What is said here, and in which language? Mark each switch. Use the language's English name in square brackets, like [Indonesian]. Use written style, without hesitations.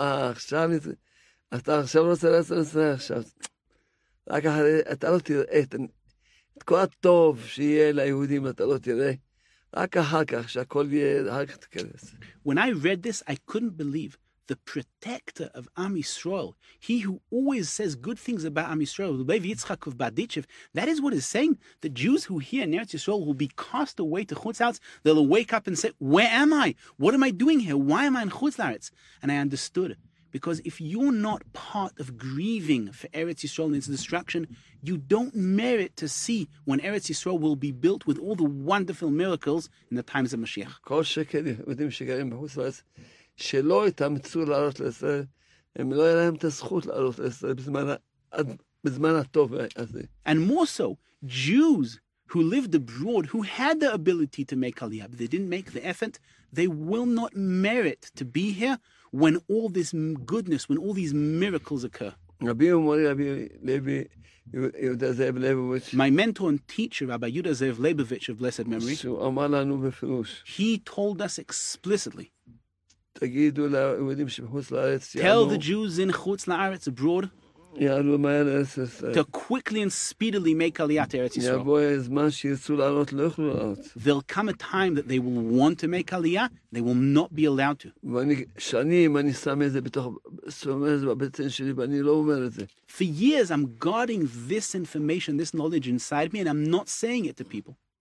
[Hebrew] עכשיו, אתה עכשיו רוצה לארץ ישראל עכשיו. רק אחרי, אתה לא תראה את כל הטוב שיהיה ליהודים, אתה לא תראה. רק אחר כך, שהכל יהיה, אחר כך תכנס. [English] When I read this, I couldn't believe the protector of Am Yisrael, he who always says good things about Am Yisrael, Lev Yitzchak of Baditchev, that is what is saying, the Jews who hear in Eretz Yisrael will be cast away to Chutz Laretz. They'll wake up and say, where am I? What am I doing here? Why am I in Chutz Laretz? And I understood. Because if you're not part of grieving for Eretz Yisrael and its destruction, you don't merit to see when Eretz Yisrael will be built with all the wonderful miracles in the times of Mashiach. [Hebrew] כל שכן יהודים שגרים בחוץ לארץ, שלא יתאמצו לעלות לישראל, הם לא יהיה להם את הזכות לעלות לישראל בזמן הטוב הזה. [English] And more so, Jews who lived abroad, who had the ability to make Aliyah, but they didn't make the effort, they will not merit to be here when all this goodness, when all these miracles occur. [Hebrew] רבי ומורי רבי לוי יהודה זאב לייבוביץ, [English] my mentor and teacher, Rabbi Yehuda Zev Leibovich of blessed memory, [Hebrew] שאמר לנו בפירוש, [English] he told us explicitly, [Hebrew] תגידו ליהודים שבחוץ לארץ, [English] tell the Jews in Chutz La'aretz abroad, [Hebrew] יעלו מהר לארץ ישראל, [English] to quickly and speedily make Aliyah to Eretz Yisrael. [Hebrew] יבוא הזמן שירצו לעלות, לא יוכלו לעלות. [English] There'll come a time that they will want to make Aliyah, they will not be allowed to. [Hebrew] ואני, שנים אני שם את זה בתוך, שם את זה בבטן שלי, ואני לא אומר את זה. [English] For years I'm guarding this information, this knowledge inside me, and I'm not saying it to people.